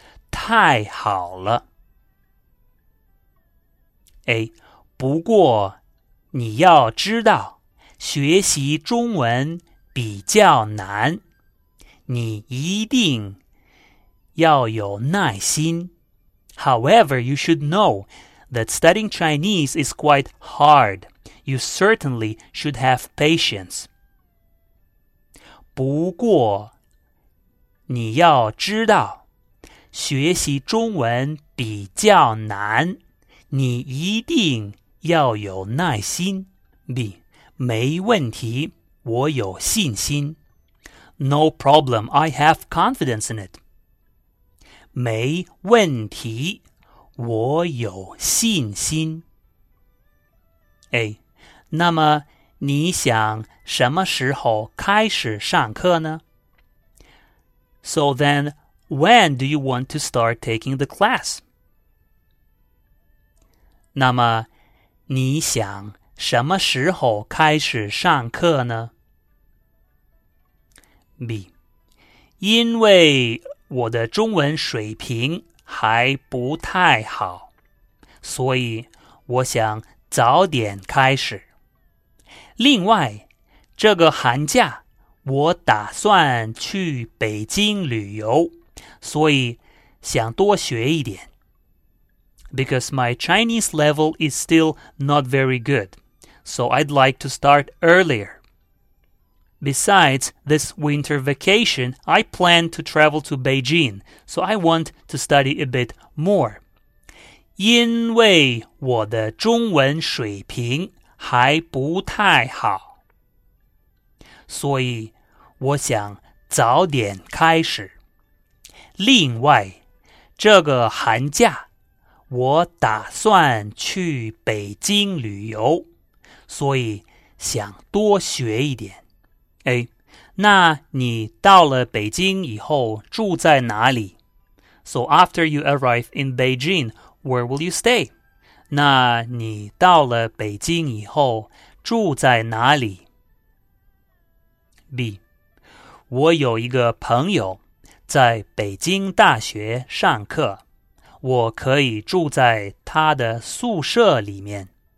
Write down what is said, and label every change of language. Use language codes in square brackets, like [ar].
[zh] 太好了。 [en] A. [zh] 不过你要知道学习中文比较难，你一定要有耐心。 [en] However, you should know that studying Chinese is quite hard. You certainly should have patience. [zh] 不过，你要知道，学习中文比较难，你一定要有耐心。 B. 没问题，我有信心。 [en] No problem, I have confidence in it. [zh] 没问题，我有信心。 [en] A. [zh] 那么你想什么时候开始上课呢? [en] So then, when do you want to start taking the class? [zh] 那么你想什么时候开始上课呢? [en] B. [zh] 因为我的中文水平还不太好,所以我想早点开始。另外,这个寒假我打算去北京旅游,所以想多学一点。 [en] Because my Chinese level is still not very good. So I'd like to start earlier. Besides, this winter vacation, I plan to travel to Beijing, so I want to study a bit more. [zh] 因为我的中文水平还不太好，所以我想早点开始。另外，这个寒假，我打算去北京旅游。所以想多学一点。 [en] A. [zh] 那你到了北京以后住在哪里? [en] So after you arrive in Beijing, where will you stay? [zh] 那你到了北京以后住在哪里? [en] B. [zh] 我有一个朋友在北京大学上课，我可以住在他的宿舍里面。